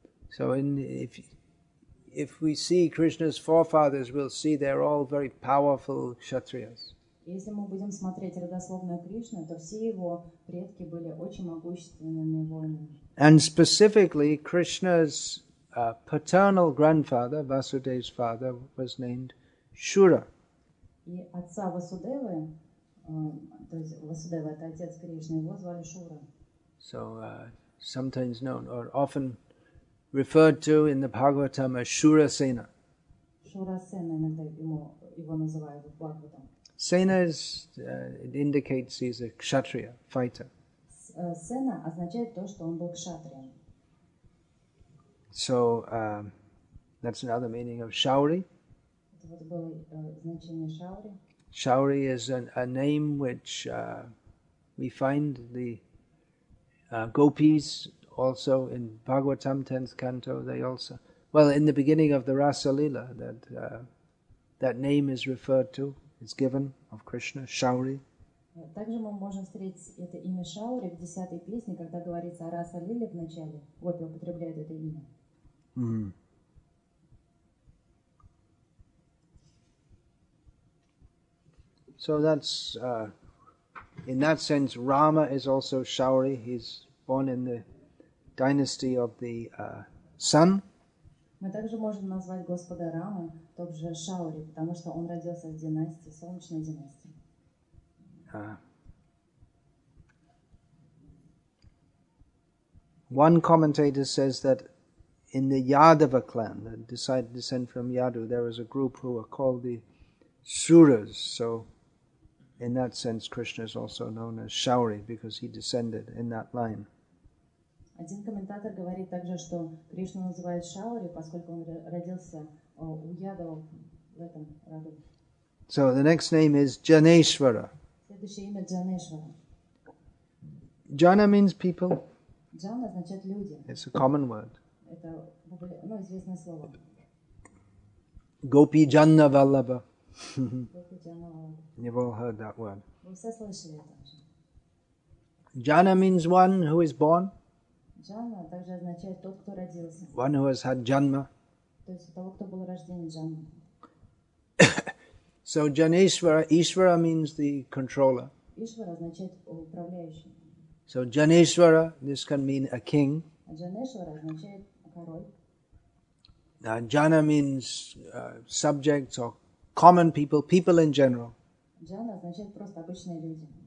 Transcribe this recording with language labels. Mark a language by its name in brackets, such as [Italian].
[English] So if we see Krishna's forefathers, we'll see they're all very powerful Kshatriyas. [Russian] Если мы будем смотреть родословную Кришну, то все его предки были очень могущественными воинами. [English] And specifically, Krishna's paternal grandfather, Vasudeva's father, was named Shura. [Russian] И отца Васудевы, то есть Васудева, это отец Кришны, его звали Шура. [English] So sometimes known or often referred to in the Bhagavatam as Shura Sena. [Russian] Shura Sena иногда его называют в Бхагаватам. [English] Sena is, it indicates he's a kshatriya, fighter. [Russian] Sena означает то, что он был кшатрием. [English] So, that's another meaning of Shauri. [Russian] Это вот было значение Шаури. [English] Шаури is a name which we find the gopis also in Bhagavatam, 10th canto, they also, well, in the beginning of the Rasa Lila, that name is referred to. It's given of Krishna, Shauri. [Russian] Также мы можем встретить это имя Шаури в 10-й песне, когда говорится о Раса Лиле в начале. Гопи употребляют это имя. [English] So that's in that sense Rama is also Shauri. He's born in the dynasty of the sun. [Russian] Мы также можем назвать Господа Раму также Шаури, потому что он родился в династии, солнечной династии. [English] One commentator says that in the Yadava clan, that decided to descend from Yadu, there was a group who were called the Suras. So in that sense, Krishna is also known as Shauri because he descended in that line. [Russian] Один комментатор говорит также, что Кришну называют Шаури, поскольку он родился у Ядава в этом роду. [English] So the next name is Janeshwara. [Russian] Следующее имя Джанешвара. [English] Jana means people. [Russian] Jana означает люди. [English] It's a common word. [Russian] Это, ну, известное слово. [Sanskrit] Gopi Janna Vallabha. Gopi Janna Vallabha. [English] You've all heard that word. [Russian] Вы все слышали это. [English] Jana means one who is born. [Russian] Джана также означает тот, кто родился. [English] One who has had janma. [Russian] То есть у того, кто был рожден джанма. [English] So Janeshwara, Ishvara means the controller. [Russian] Ishvara означает управляющий. [English] So Janeshwara, this can mean a king. [Russian] Janeshwara означает король. [English] Jana means subjects or common people, people in general. [Russian] Джана означает просто обычные люди.